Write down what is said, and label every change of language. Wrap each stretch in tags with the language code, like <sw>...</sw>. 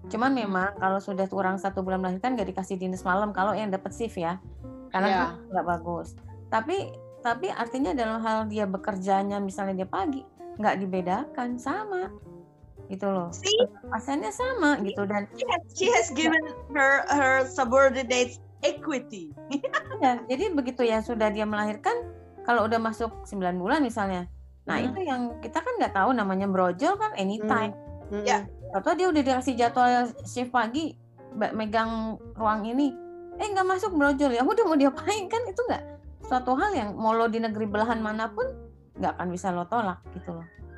<id>Cuman memang kalau sudah kurang 1 bulan melahirkan nggak dikasih dinas malam kalau yang dapat shift ya, karena itu nggak bagus. Tapi artinya dalam hal dia bekerjanya misalnya dia pagi nggak dibedakan, sama gitu loh.</id> <en>See?</en> <id>Pasiennya sama gitu dan</id> <en>she has given her subordinates equity.</en> <id>Ya, jadi begitu ya sudah dia melahirkan kalau udah masuk 9 bulan misalnya. Nah, itu yang kita kan nggak tahu namanya brojol kan anytime. Atau dia udah dikasih jadwal shift pagi megang ruang ini. Nggak masuk brojol ya. Udah mau diapain kan itu nggak suatu hal yang mau lo di negeri belahan manapun nggak akan bisa lo tolak gitu loh.</id>